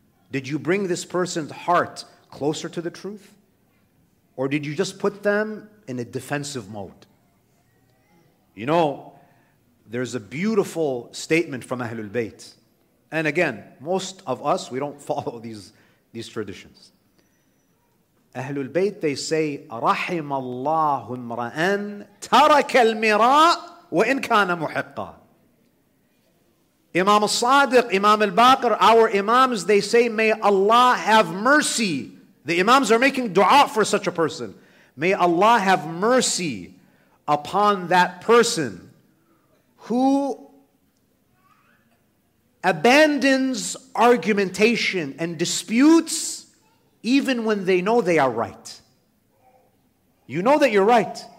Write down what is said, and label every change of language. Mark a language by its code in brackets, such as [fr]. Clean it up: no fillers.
[en] Did you bring this person's heart closer to the truth? Or did you just put them in a defensive mode? You know, there's a beautiful statement from Ahlul Bayt. And again, most of us, we don't follow these traditions. [ar] Ahlul Bayt, [en] they say, [ar] رَحِمَ اللَّهُ امْرَأً تَرَكَ الْمِرَاءَ وَإِنْ كَانَ مُحِقًّا. [en] Imam al-Sadiq, Imam al-Baqir, our imams, they say, may Allah have mercy. The imams are making dua for such a person. May Allah have mercy upon that person who abandons argumentation and disputes even when they know they are right. You know that you're right.